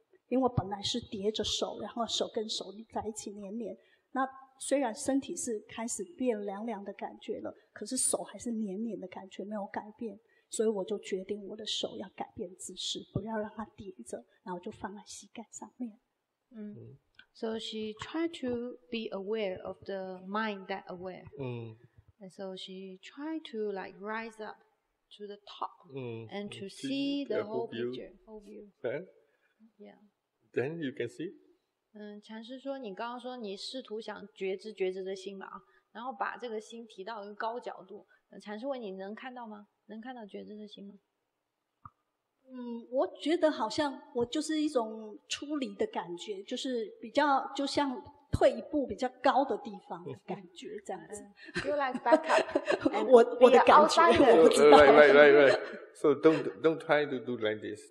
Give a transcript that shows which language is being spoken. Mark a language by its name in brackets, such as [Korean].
[Chinese] 因为本来是叠着手，然后手跟手在一起黏黏，那虽然身体是开始变凉凉的感觉了，可是手还是黏黏的感觉没有改变，所以我就决定我的手要改变姿势，不要让它叠着，然后就放在膝盖上面。 [English] So she tried to be aware of the mind that aware. And so she tried to like rise up. To the top and to see the whole picture. Then you can see. [Chinese] 禅师说，你刚刚说你试图想觉知觉知的心嘛，然后把这个心提到一个高角度。禅师问你能看到吗？能看到觉知的心吗？我觉得好像我就是一种出离的感觉，就是比较就像退一步比较高的地方的感觉这样子。 [English] You like back up? [Chinese] 我的感觉我不知道。 [English] Right. So don't try to do like this.